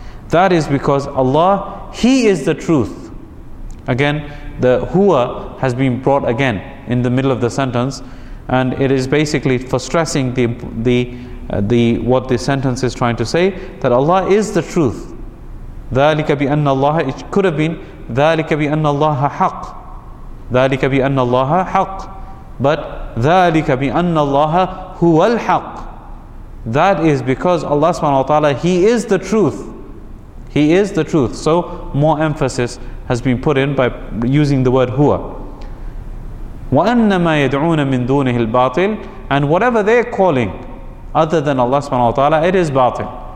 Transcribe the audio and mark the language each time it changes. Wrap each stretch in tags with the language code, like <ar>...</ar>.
<en>That is because Allah, He is the truth. Again, the huwa has been brought again in the middle of the sentence, and it is basically for stressing the what this sentence is trying to say, that Allah is the truth.</en> <ar>ذَلِكَ بِأَنَّ اللَّهَ, it could have been ذَلِكَ بِأَنَّ اللَّهَ حَقْ, ذَلِكَ بِأَنَّ اللَّهَ حَقْ, but ذَلِكَ بِأَنَّ اللَّهَ هُوَ الْحَقْ.</ar> <en>That is because Allah subhanahu wa ta'ala, He is the truth. He is the truth. So more emphasis has been put in by using the word huwa.</en> <ar>وَأَنَّ مَا يَدْعُونَ مِن دُونِهِ الْبَاطِلِ,</ar> <en>and whatever they're calling other than Allah subhanahu wa ta'ala, it is batil.</en>